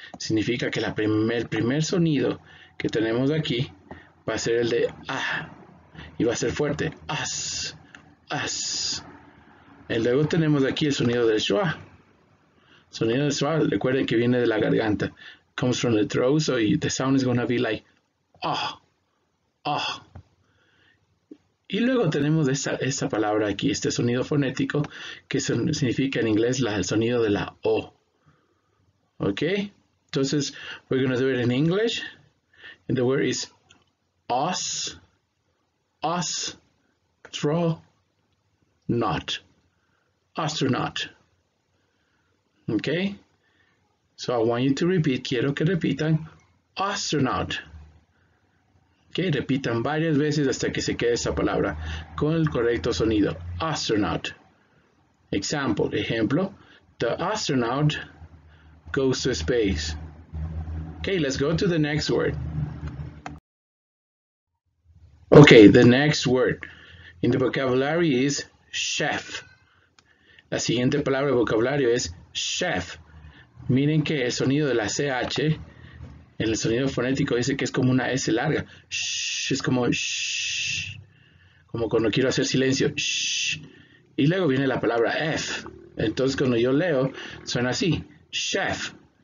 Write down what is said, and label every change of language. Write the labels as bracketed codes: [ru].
[es] Significa que el primer sonido que tenemos aquí va a ser el de A, y va a ser fuerte, as, as. Y luego tenemos aquí el sonido del schwa. Sonido del schwa, recuerden que viene de la garganta. [en] Comes from the throat, so the sound is going to be like, ah, oh, ah. Oh. [es] Y luego tenemos esta palabra aquí, este sonido fonético, que significa en inglés el sonido de la O. ¿Ok? Entonces, [en] we're going to do it in English. And the word is os, os, tro, not. Astronaut. Okay? So I want you to repeat. [es] Quiero que repitan. [en] Astronaut. Okay? [es] Repitan varias veces hasta que se quede esa palabra con el correcto sonido. [en] Astronaut. Example. [es] Ejemplo. [en] The astronaut goes to space. Okay, let's go to the next word. Okay, the next word in the vocabulary is chef. [es] La siguiente palabra de vocabulario es chef. Miren que el sonido de la CH en el sonido fonético dice que es como una S larga. Sh, es como sh, como cuando quiero hacer silencio. Sh. Y luego viene la palabra F. Entonces cuando yo leo, suena así. Chef.